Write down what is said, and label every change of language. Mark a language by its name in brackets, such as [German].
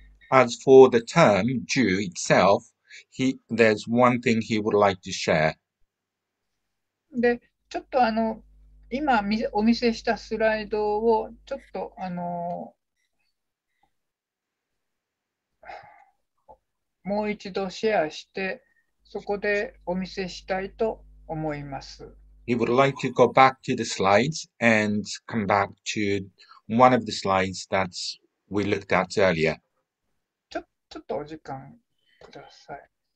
[English] As for the term Jew itself, there's one thing he would like to share. [Japanese] で、ちょっと今お見せしたスライドをちょっと もう一度シェアして、そこでお見せしたいと思います。 [English] He would like to go back to the slides and come back to one of the slides that we looked at earlier. [Japanese] ちょっとお時間ください。